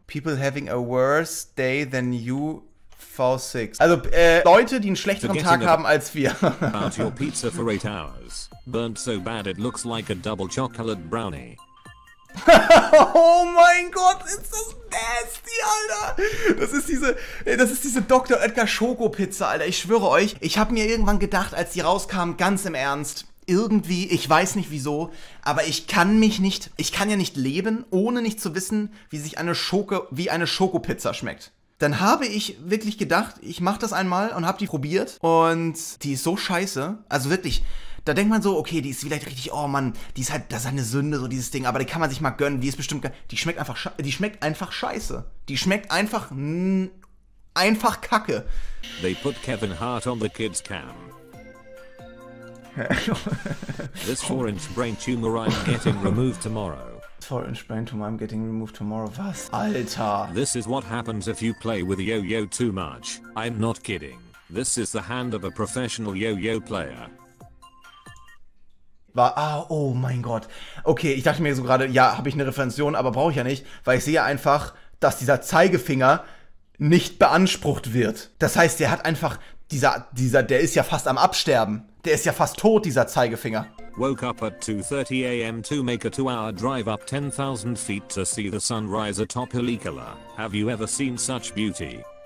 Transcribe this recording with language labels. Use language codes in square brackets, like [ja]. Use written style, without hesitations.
[en] People having a worse day than you, V6. [de] Also, Leute, die einen schlechteren Tag haben als wir. [en] About your pizza for 8 hours. Burnt so bad it looks like a double chocolate brownie. [de] Oh mein Gott, ist das nasty, Alter. Das ist diese Dr. Oetker Schokopizza, Alter. Ich schwöre euch, ich habe mir irgendwann gedacht, als die rauskam, ganz im Ernst, irgendwie, ich weiß nicht wieso, aber ich kann ja nicht leben, ohne nicht zu wissen, wie eine Schokopizza schmeckt. Dann habe ich wirklich gedacht, ich mache das einmal und habe die probiert und die ist so scheiße, also wirklich. Da denkt man so, okay, die ist vielleicht richtig, oh Mann, die ist halt, das ist eine Sünde, so dieses Ding, aber die kann man sich mal gönnen, die ist bestimmt, die schmeckt einfach scheiße. Die schmeckt einfach, einfach kacke. [en] They put Kevin Hart on the kids cam. This 4-inch brain tumor I'm getting removed tomorrow. 4-inch brain tumor I'm getting removed tomorrow, was? [de] Alter. [en] This is what happens if you play with yo-yo too much, I'm not kidding. This is the hand of a professional yo-yo player. [de] Oh mein Gott. Okay, ich dachte mir so gerade, ja, habe ich eine Referenzion, aber brauche ich ja nicht, weil ich sehe einfach, dass dieser Zeigefinger nicht beansprucht wird. Das heißt, der hat einfach, der ist ja fast am Absterben. Der ist ja fast tot, dieser Zeigefinger. [en] Woke up at 2:30 a.m. to make a 2-hour drive up 10,000 feet to see the sunrise atop Helicola. Have you ever seen such beauty?